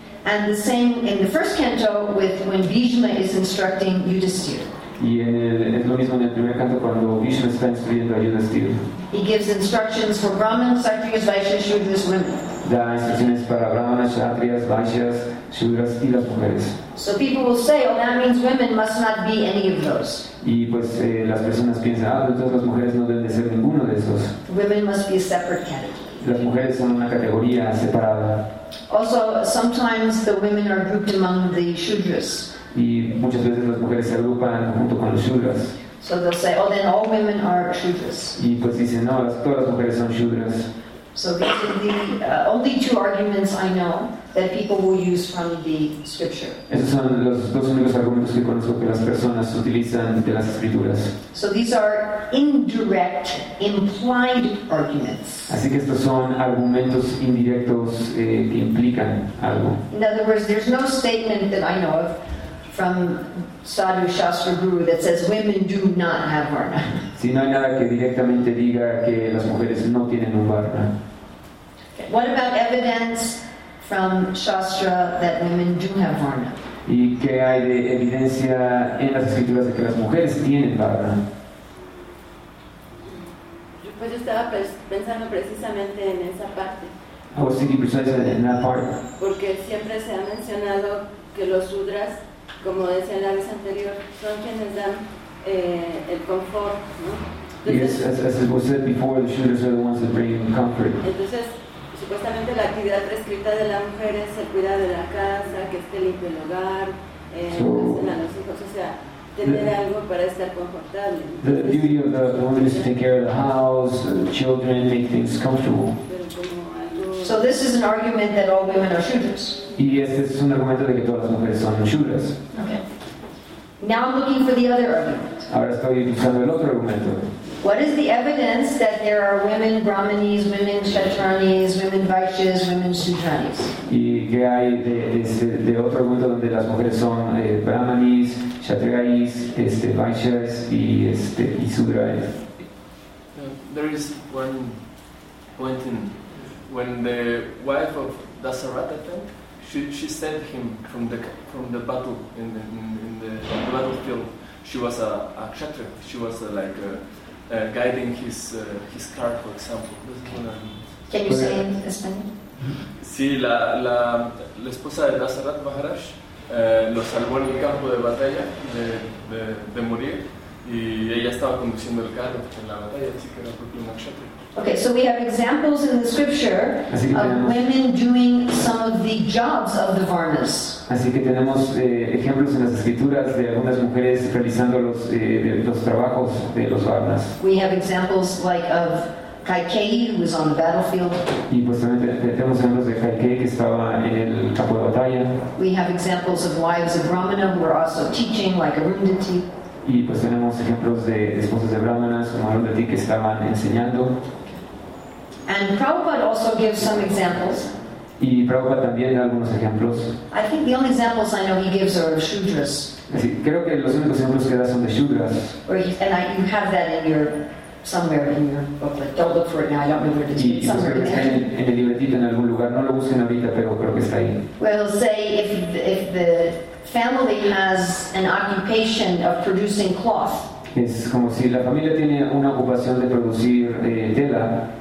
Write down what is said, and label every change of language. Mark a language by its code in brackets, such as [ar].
[en] And the same in the first canto with when Bhishma is instructing Yudhisthira. [es] Y es lo mismo en el primer canto cuando Bhishma está instruyendo a Yudhisthira. [en] He gives instructions for brahmanas, kshatriyas, vaishyas, shudras, women. [es] Da instrucciones para brahmanas, kshatriyas, vaishyas, shudras y las mujeres. [en] So people will say, oh, that means women must not be any of those. [es] Y pues las personas piensan, entonces las mujeres no deben de ser ninguno de esos. [en] Women must be a separate category. [es] las mujeres son una categoría separada. [en] Also, sometimes the women are grouped among the shudras. [es] Y muchas veces las mujeres se agrupan junto con los shudras. [en] So they'll say, oh, then all women are shudras. [es] Y pues dicen, no, todas las mujeres son shudras. [en] So these are the only two arguments I know that people will use from the scripture. [es] Esos son los dos únicos argumentos que conozco que las personas utilizan de las escrituras. [en] So these are indirect, implied arguments. [es] Así que estos son argumentos indirectos que implican algo. [en] In other words, there's no statement that I know of from Sadhu Shastra Guru that says women do not have varna. [es] Si no hay nada que directamente diga que las mujeres no tienen un varna. [en] Okay. What about evidence from Shastra that women do have varna? [es] ¿Y qué hay de evidencia en las escrituras de que las mujeres tienen varna? Pues yo estaba pensando precisamente en esa parte. [en] I was thinking precisely in that part. [es] Porque siempre se ha mencionado que los sudras, como decía la vez anterior, son quienes dan el confort, ¿no? [en] Entonces, yes, as it was said before, the shudras are the ones that bring comfort. [es] Entonces, supuestamente la actividad prescrita de la mujer es el cuidado de la casa, que esté limpio el hogar, a los hijos, o sea, tener algo para estar confortable. [en] The duty of the woman is to take care of the house, the children, make things comfortable. So this is an argument that all women are shudras. [es] Y este es un argumento de que todas las mujeres son shudras. [en] Okay. Now I'm looking for the other argument. [es] Ahora estoy buscando el otro argumento. [en] What is the evidence that there are women brahmanis, women kshatranis, women vaishyas, women sudranis? [es] ¿Y qué hay de otro argumento donde las mujeres son brahmanis, kshatriyas, vaishyas y sudranis? [en] There is one point in when the wife of Dasaratha, I think, she sent him from the battle in the battlefield. She was a kshatriya. She was guiding his car, for example. Can you say in Spanish? [es] Sí, la esposa de Dasarath Maharaj lo salvó en el campo de batalla de morir, y ella estaba conduciendo el carro en la batalla, así que era propio una kshatriya. [en] Okay, so we have examples in the scripture of women doing some of the jobs of the varnas. [es] Así que tenemos ejemplos en las escrituras de algunas mujeres realizando los trabajos de los varnas. [en] We have examples like of Kaikeyi, who was on the battlefield. [es] Y pues también tenemos ejemplos de Kaikeyi, que estaba en el campo de batalla. [en] We have examples of wives of Ramana who are also teaching, like Arundhati. [es] Y pues tenemos ejemplos de esposas de brahmanas como Arundhati que estaban enseñando. [en] And Prabhupada also gives some examples. [es] Y Prabhupada también da algunos ejemplos. [en] I think the only examples I know he gives are shudras. [es] Así, creo que los únicos ejemplos que da son de shudras. [en] You have that in your somewhere in your booklet. Don't look for it now. I don't know where to take it. [es] En el libretito en algún lugar. No lo busquen ahorita, pero creo que está ahí. [en] Well, say if the family has an occupation of producing cloth. [es] Es como si la familia tiene una ocupación de producir tela.